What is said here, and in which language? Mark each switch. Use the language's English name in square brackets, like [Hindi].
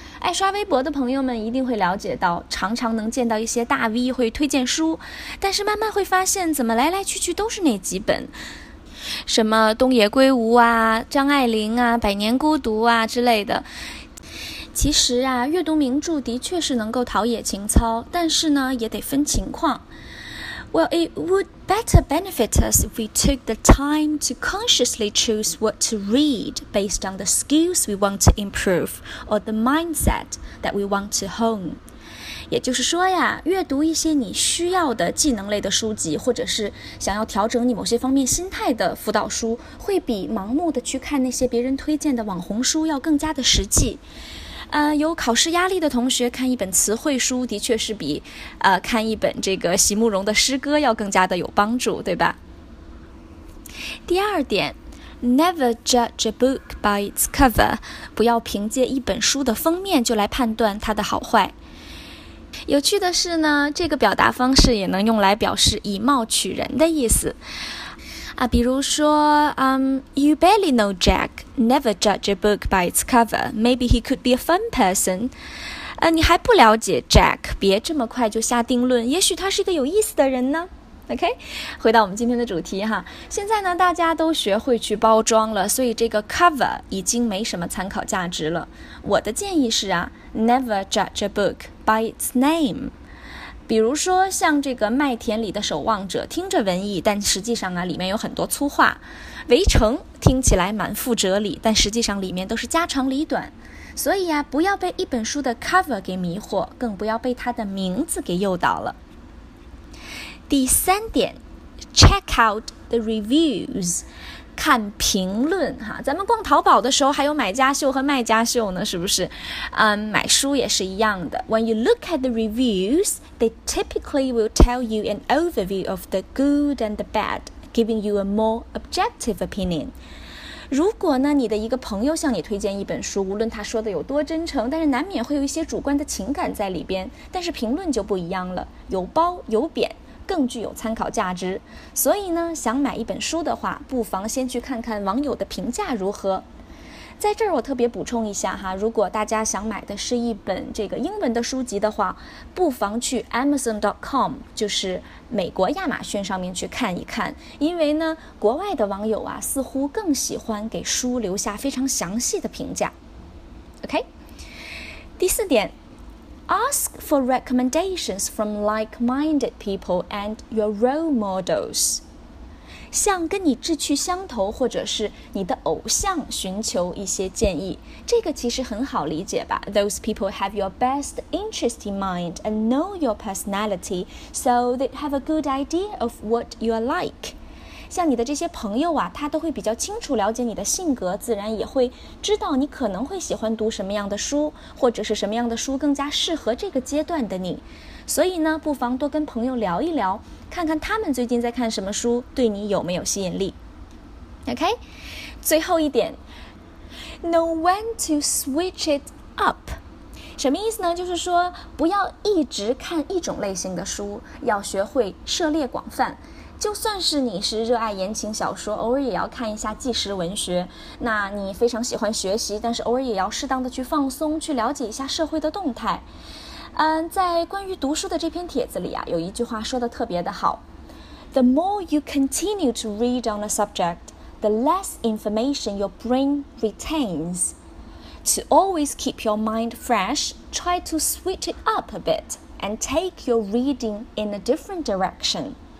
[Chinese] 爱刷微博的朋友们一定会了解到，常常能见到一些大 V 会推荐书，但是慢慢会发现怎么来来去去都是那几本，什么东野圭吾啊、张爱玲啊、百年孤独啊之类的。其实啊，阅读名著的确是能够陶冶情操，但是呢也得分情况。 [English] Well, it would better benefit us if we took the time to consciously choose what to read based on the skills we want to improve or the mindset that we want to hone. [Chinese] 也就是说呀，阅读一些你需要的技能类的书籍，或者是想要调整你某些方面心态的辅导书，会比盲目的去看那些别人推荐的网红书要更加的实际。有考试压力的同学看一本词汇书的确是比看一本这个席慕容的诗歌要更加的有帮助，对吧？第二点， [English] Never judge a book by its cover， [Chinese] 不要凭借一本书的封面就来判断它的好坏。有趣的是呢，这个表达方式也能用来表示以貌取人的意思啊，比如说 [English] You barely know Jack, never judge a book by its cover. Maybe he could be a fun person. [Chinese] 你还不了解 Jack, 别这么快就下定论，也许他是一个有意思的人呢。 OK, 回到我们今天的主题哈。现在呢大家都学会去包装了，所以这个 cover 已经没什么参考价值了。我的建议是啊， [English] never judge a book by its name。 [Chinese] 比如说像这个《麦田里的守望者》，听着文艺，但实际上啊里面有很多粗话。 《围城》听起来满腹哲理，但实际上里面都是家长里短。所以啊，不要被一本书的 cover 给迷惑，更不要被它的名字给诱导了。第三点， [English] check out the reviews， [Chinese] 看评论哈。咱们逛淘宝的时候还有买家秀和卖家秀呢，是不是？买书也是一样的。 [English] When you look at the reviewsThey typically will tell you an overview of the good and the bad, giving you a more objective opinion. [Chinese] 如果呢，你的一个朋友向你推荐一本书，无论他说的有多真诚，但是难免会有一些主观的情感在里边。但是评论就不一样了，有褒有贬，更具有参考价值。所以呢，想买一本书的话，不妨先去看看网友的评价如何。在这儿我特别补充一下哈，如果大家想买的是一本这个英文的书籍的话，不妨去 Amazon.com， 就是美国亚马逊上面去看一看。因为呢，国外的网友啊似乎更喜欢给书留下非常详细的评价。 OK， 第四点， [English] Ask for recommendations from like-minded people and your role models， [Chinese] 向跟你志趣相投或者是你的偶像寻求一些建议，这个其实很好理解吧。 [English] Those people have your best interest in mind and know your personality, so they have a good idea of what you are like. [Chinese] 像你的这些朋友啊，他都会比较清楚了解你的性格，自然也会知道你可能会喜欢读什么样的书，或者是什么样的书更加适合这个阶段的你。所以呢，不妨多跟朋友聊一聊，看看他们最近在看什么书，对你有没有吸引力。 [English] OK， [Chinese] 最后一点， [English] Know when to switch it up。 [Chinese] 什么意思呢？就是说不要一直看一种类型的书，要学会涉猎广泛。就算是你是热爱言情小说，偶尔也要看一下纪实文学，那你非常喜欢学习，但是偶尔也要适当的去放松，去了解一下社会的动态。在关于读书的这篇帖子里啊，有一句话说得特别的好， [English] The more you continue to read on a subject, the less information your brain retains. To always keep your mind fresh, try to switch it up a bit and take your reading in a different direction.